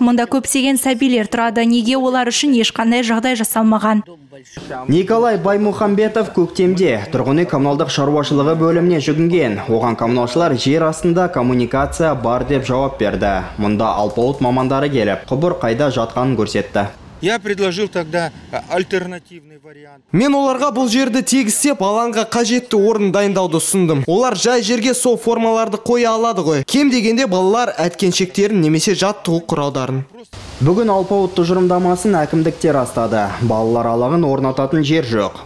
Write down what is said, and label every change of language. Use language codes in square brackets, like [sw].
[kk] Мұнда көпсеген сәбилер тұрады. Неге олар үшін ешқандай жағдай жасалмаған? Николай Баймухамбетов көктемде тұрғыны коммуналдық шаруашылығы бөліміне жүгінген. Оған коммуналшылар жер астында коммуникация бар деп жауап берді. Мұнда Алпауыт мамандары келіп, құбыр қайда жатқанын көрсетті. [ru] Я предложил тогда альтернативный вариант. [kk] Мен оларға бұл жерді тегістеп, алаңға қажетті орын дайындауды сұндым. Олар жай жерге сол формаларды қоя алады ғой. Кем дегенде балалар әткеншектерін немесе жаттығу құралдарын. Бүгін алпауыт тұжырымдамасын әкімдіктер растады. Балалар алаңын орнататын жер жоқ.